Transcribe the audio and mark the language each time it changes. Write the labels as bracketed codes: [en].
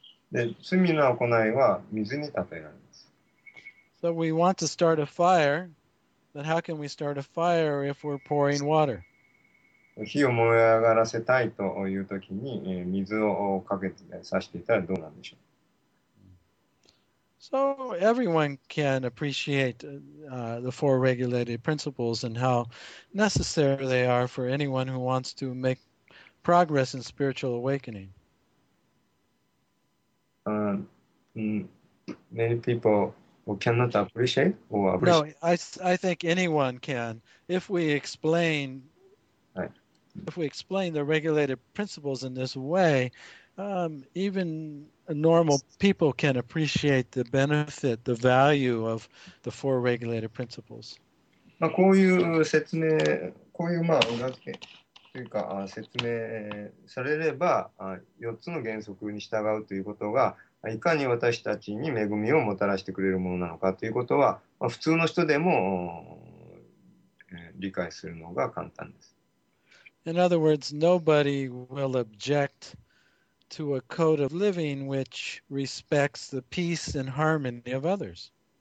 [ja] で、罪の行いは水に例えられます。 [en] So we want to start a fire, but how can we start a fire if we're pouring water? [ja] 火を燃え上がらせたいというときに、水をかけて、さしていたらどうなんでしょう。 [en] So everyone can appreciate the four regulated principles and how necessary they are for anyone who wants to make progress in spiritual awakening. Many people cannot appreciate or No, appreciate. I think anyone can. If we explain the regulated principles in this way, even normal people can appreciate the benefit, the value of the four regulated principles. [ja] まあ、こういう説明、こういう、まあ、裏付けというか、説明されれば、4つの原則に従うということが、いかに私たちに恵みをもたらしてくれるものなのかということは、まあ、普通の人でも、理解するのが簡単です。 [en] In other words, nobody will object to a code of living which respects the peace and harmony of others.